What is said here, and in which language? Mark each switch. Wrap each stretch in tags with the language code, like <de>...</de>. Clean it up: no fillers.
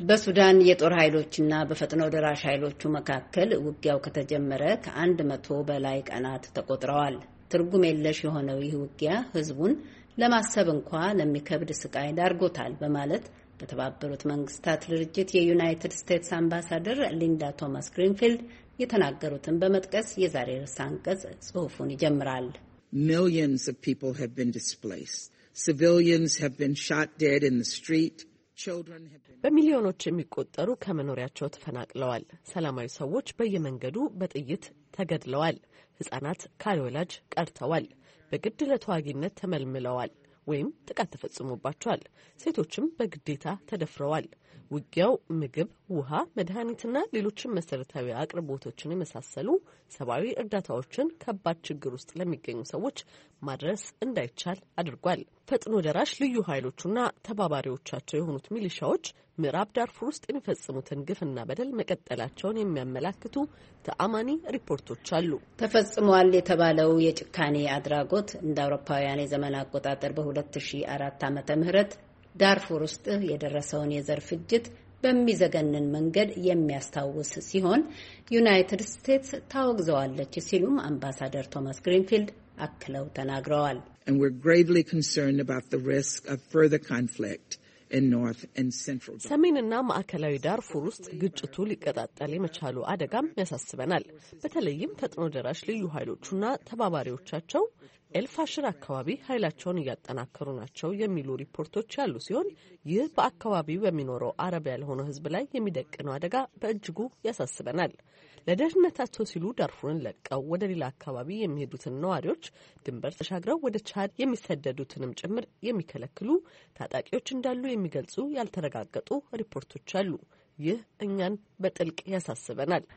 <am>በሱዳን የጦር ኃይሎችና በፈጥኖ ደራሽ ኃይሎቹ መካከል ውጊያው ከተጀመረ ከ100 በላይ ቀናት ተቆጥረዋል። ትርጉም የለሽ የሆነው ይህ ውጊያ ህዝቡን ለማሰብ እንኳ ለሚከብድ ስቃይ ዳርጎታል በማለት በተባበሩት መንግስታት ድርጅት የዩናይትድ ስቴትስ አምባሳደር ሊንዳ ቶማስ ግሪንፊልድ የተናገሩትን በመጥቀስ የዛሬ ርዕሰ አንቀጽ ጽሑፉን ይጀምራል።</am> <en>Millions of people have been displaced. Civilians have been shot dead in the street. Children have been.</en> <am>በሚሊዮኖች የሚቆጠሩ ከመኖሪያቸው ተፈናቅለዋል። ሰላማዊ ሰዎች በየመንገዱ በጥይት ተገድለዋል። ህፃናት ካልወላጅ ቀርተዋል። በግድ ለተዋጊነት ተመልምለዋል ወይም ጥቃት ተፈጽሞባቸዋል። ሴቶችም በግዴታ ተደፍረዋል። ውጊያው ምግብ፣ ውሃ፣ መድኃኒትና ሌሎችን መሰረታዊ አቅርቦቶችን የመሳሰሉ ሰብአዊ እርዳታዎችን ከባድ ችግር ውስጥ ለሚገኙ ሰዎች ማድረስ እንዳይቻል አድርጓል። ፈጥኖ ደራሽ ልዩ ኃይሎቹና ተባባሪዎቻቸው የሆኑት ሚሊሻዎች ምዕራብ ዳርፉር ውስጥ የሚፈጽሙትን ግፍና በደል መቀጠላቸውን የሚያመላክቱ ተአማኒ ሪፖርቶች አሉ። ተፈጽሟል የተባለው የጭካኔ አድራጎት እንደ አውሮፓውያን የዘመን አቆጣጠር በ2004 ዓ.ም ዳርፉር ውስጥ የደረሰውን የዘር ፍጅት በሚዘገንን መንገድ የሚያስታውስ ሲሆን ዩናይትድ ስቴትስ ታወግዘዋለች ሲሉም አምባሳደር ቶማስ ግሪንፊልድ አክለው ተናግረዋል።</am> <en>And we're gravely concerned about the risk of further conflict in North and Central Darfur.</en> <am>ሰሜንና ማዕከላዊ ዳርፉር ውስጥ ግጭቱ ሊቀጣጠል የመቻሉ አደጋም ያሳስበናል። በተለይም ፈጥኖ ደራሽ ልዩ ኃይሎቹና ተባባሪዎቻቸው ኤልፋሽር አካባቢ ኃይላቸውን እያጠናከሩ ናቸው የሚሉ ሪፖርቶች ያሉ ሲሆን ይህ በአካባቢው በሚኖረው አረብ ያልሆነ ህዝብ ላይ የሚደቀነው አደጋ በእጅጉ ያሳስበናል። ለደህንነታቸው ሲሉ ዳርፉርን ለቀው ወደ ሌላ አካባቢ የሚሄዱትን ነዋሪዎች ድንበር ተሻግረው ወደ ቻድ የሚሰደዱትንም ጭምር የሚከለክሉ ታጣቂዎች እንዳሉ የሚገልጹ ያልተረጋገጡ ሪፖርቶች አሉ። ይህ እኛን በጥልቅ ያሳስበናል።</am>